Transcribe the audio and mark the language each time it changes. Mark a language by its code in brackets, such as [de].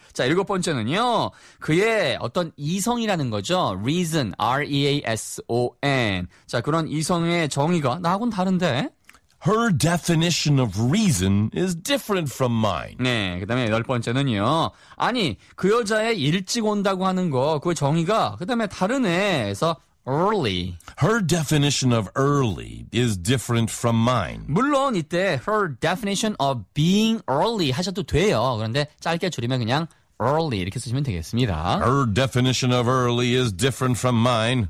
[ko] 자, 일곱 번째는요, 그의 어떤 이성이라는 거죠. [en] Reason, R-E-A-S-O-N. [ko] 자, 그런 이성의 정의가 나하고는 다른데? [en] Her definition of reason is different from mine. [ko] 네, 그다음에 여덟 번째는요. 아니, 그 여자의 일찍 온다고 하는 거, 그 정의가 그다음에 다르네. 그래서 early. [en] Her definition of early is different from mine. [ko] 물론 이때 [en] her definition of being early [ko] 하셔도 돼요. 그런데 짧게 줄이면 그냥 early 이렇게 쓰시면 되겠습니다. [en] Her definition of early is different from mine.